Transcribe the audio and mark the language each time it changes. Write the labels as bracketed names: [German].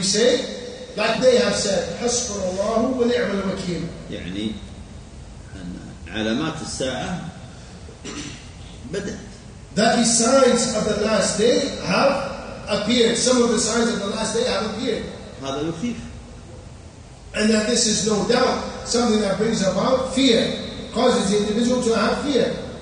[English] We say like they have said [Arabic] حسبنا الله ونعم الوكيل. يعني أن علامات الساعة بدأت. [English] That the signs of the last day have appeared. Some of the signs of the last day have appeared. [Arabic] هذا يخيف. [English] And that this is no doubt something that brings about fear, causes the individual to have fear.